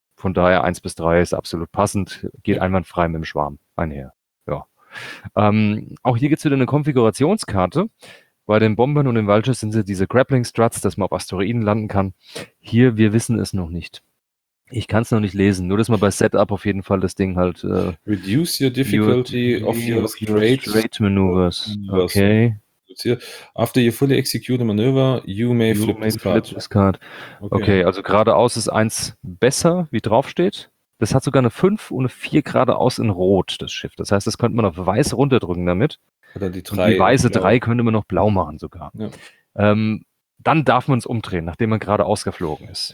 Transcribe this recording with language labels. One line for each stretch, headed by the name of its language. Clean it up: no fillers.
German: Von daher 1 bis 3 ist absolut passend. Geht einwandfrei mit dem Schwarm einher. Ja. Auch hier gibt es wieder eine Konfigurationskarte. Bei den Bombern und den Vultures sind sie diese Grappling Struts, dass man auf Asteroiden landen kann. Hier, wir wissen es noch nicht. Ich kann es noch nicht lesen. Nur, dass man bei Setup auf jeden Fall das Ding halt...
English: Reduce your difficulty of your straight maneuvers. Okay. After you fully execute a maneuver, you may flip this card.
German: Okay, also geradeaus ist eins besser, wie draufsteht. Das hat sogar eine 5 und eine 4 geradeaus in Rot, das Schiff. Das heißt, das könnte man auf Weiß runterdrücken damit. Oder die 3. Die weiße 3 könnte man noch blau machen sogar. Ja. Dann darf man es umdrehen, nachdem man gerade ausgeflogen ist.